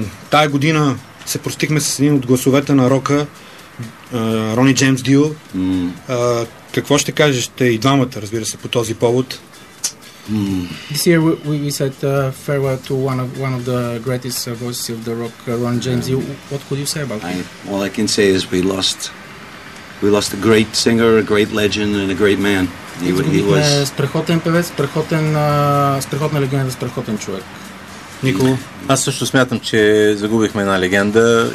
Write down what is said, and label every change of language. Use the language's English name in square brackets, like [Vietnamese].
[Bulgarian] Тая година се простихме с един от гласовете на рока, Рони Джеймс Дио. Какво ще кажеш те и двамата, разбира се, по този повод? [English] This year we said farewell to one of the greatest voices of the rock, Ron James. What could you say about him? All I can say is we lost a great singer, a great legend and a great man. He was [Bulgarian] страхотен певец, страхотна легенда, страхотен човек. Никола? Аз също смятам, че загубихме една легенда.